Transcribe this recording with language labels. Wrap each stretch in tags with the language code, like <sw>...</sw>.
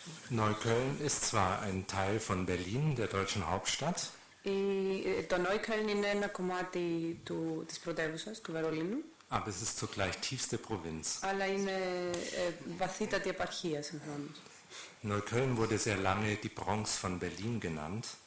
<de>Neukölln ist zwar ein Teil von Berlin, der deutschen Hauptstadt.</de> <el>Το Neukölln είναι ένα κομμάτι της πρωτεύουσας, του Βερολίνου.</el> <de>Aber es ist zugleich tiefste Provinz.</de> <el>Αλλά είναι βαθύτατη επαρχία, συγχρόνως.</el> <de>Neukölln wurde sehr lange die Bronx von Berlin genannt.</de>